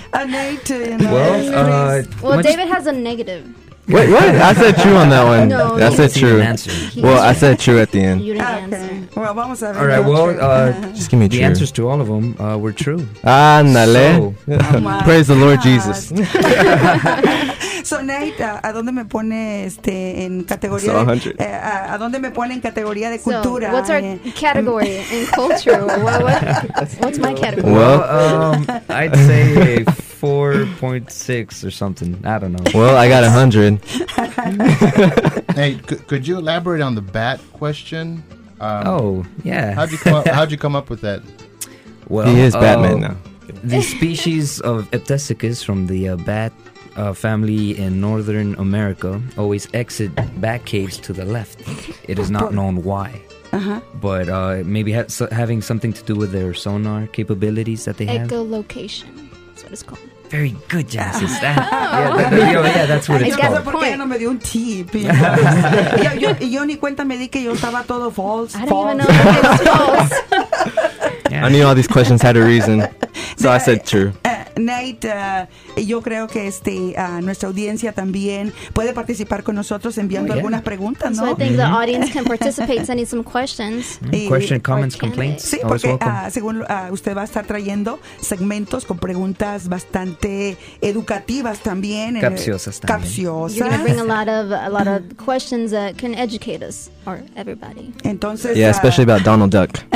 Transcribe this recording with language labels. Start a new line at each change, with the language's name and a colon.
English: A negative. Well, David has a negative. Wait, what? I said true on that one. No, I said true. Well, I said true at the end. You didn't answer. Okay. Well, all right, well, just give me the true. The answers to all of them were true. Ah, nale. So, praise the Lord Jesus.
Spanish: So, Nate, ¿a dónde me pone este en categoría?
English: So, 100.
Spanish: ¿A dónde me pone en categoría de cultura?
English: What's our category in culture? What's my category? Well, I'd say 4.6 or something. I don't know. Well, I got 100. Hey, could you elaborate on the bat question? Yeah. How'd you come up with that? Well, he is Batman now. The species of Eptesicus from the bat family in Northern America always exit bat caves to the left. It is not known why. Uh-huh. But maybe having something to do with their sonar capabilities that they have. Echolocation. That's what it's called. Very good, Jazzy. yeah, that's what it's called.
Spanish: ¿Por qué no me dio un tip? Yo ni cuenta me di que yo estaba todo false.
English: I didn't even know that it was false. I knew all these questions had a reason. So I said true.
Spanish: Nate, yo creo que nuestra audiencia también puede participar con nosotros enviando algunas preguntas, ¿no?
English: So I think the audience can participate sending some questions. Question, comments, complaints.
Spanish: Sí, porque según usted va a estar trayendo segmentos con preguntas bastante educativas también. Capciosas.
English: You're going to bring a lot of questions that can educate us, or everybody.
Spanish: Entonces,
English: yeah, especially about Donald Duck.